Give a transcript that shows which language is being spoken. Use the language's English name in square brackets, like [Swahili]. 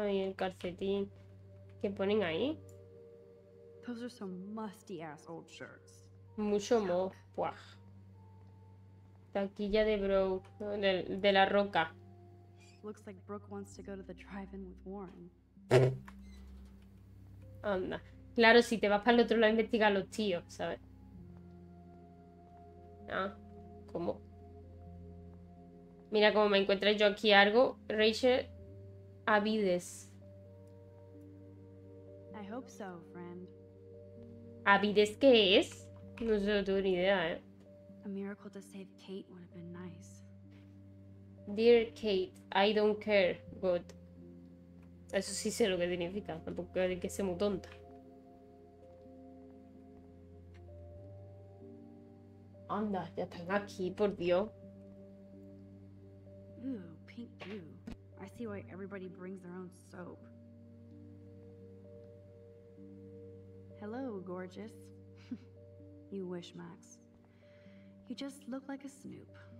[Spanish] Ay, el calcetín. ¿Qué ponen ahí? [English] Those are some musty ass old shirts. [Spanish] Mucho moho. Taquilla de Bro. De la roca. [English] Looks like Brooke wants to go to the drive-in with Warren. [Spanish] Anda. Claro, si te vas para el otro lado a investigar a los tíos, ¿sabes? Ah. ¿Cómo? Mira cómo me encuentro yo aquí algo. Rachel Avides. [English] I hope so, friend. [Spanish] ¿Avides qué es? No sé, no tengo ni idea, ¿eh? [English] A miracle to save Kate would have been nice. Dear Kate, I don't care, but... [Spanish] Eso sí sé lo que significa. Tampoco quiero decir que sea muy tonta. Anda, ya están aquí, por Dios. [English] Ooh, pink goo. I see why everybody brings their own soap. Hello, gorgeous. You wish, Max. You just look like a snoop.